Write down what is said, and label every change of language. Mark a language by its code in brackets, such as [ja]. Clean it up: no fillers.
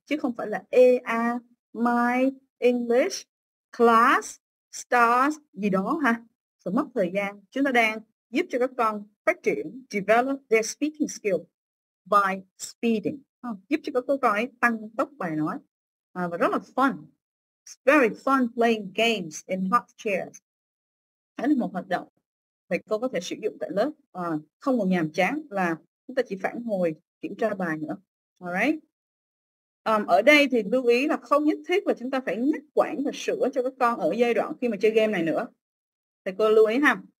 [vi] Chứ không phải là [en] my English class starts [vi] gì đó ha. Sẽ mất thời gian. Chúng ta đang giúp cho các con phát triển, [en] develop their speaking skill by speeding. [vi] Giúp cho các con ấy tăng tốc bài nói. Và rất là fun. [en] It's very fun playing games in hot chairs. [vi] Đó là một hoạt động thầy cô có thể sử dụng tại lớp. Không còn nhàm chán là chúng ta chỉ phản hồi kiểm tra bài nữa. Ở đây thì lưu ý là không nhất thiết là chúng ta phải ngắt quãng và sửa cho các con ở giai đoạn khi mà chơi game này nữa. Thầy cô lưu ý ha.